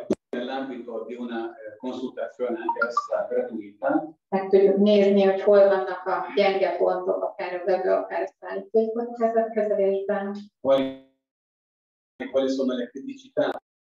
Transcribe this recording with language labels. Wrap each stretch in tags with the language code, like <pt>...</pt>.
<it>Nell'ambito di una consultazione anche essa gratuita.</it> <hu>Meg tudjuk nézni, hogy hol vannak a gyenge pontok, akár a vevő, akár a szállítókon kezelésben.</hu> <it>Quali sono le criticità?</it>